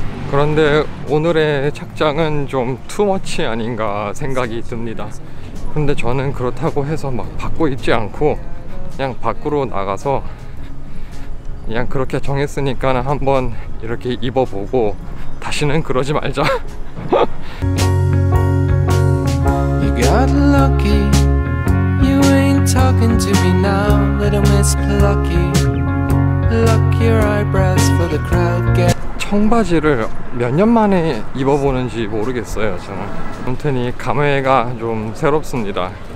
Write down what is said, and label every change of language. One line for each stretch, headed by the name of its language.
Korean: 그런데 오늘의 착장은 좀 투머치 아닌가 생각이 듭니다. 근데 저는 그렇다고 해서 막 받고 있지 않고 그냥 밖으로 나가서 그냥 그렇게 정했으니까 한번 이렇게 입어보고 다시는 그러지 말자.
English: You got lucky. You ain't talking to me now, little miss plucky. Pluck your eyebrows for the crowd.
Korean: 청바지를 몇 년 만에 입어보는지 모르겠어요, 저는. 아무튼 이 감회가 좀 새롭습니다.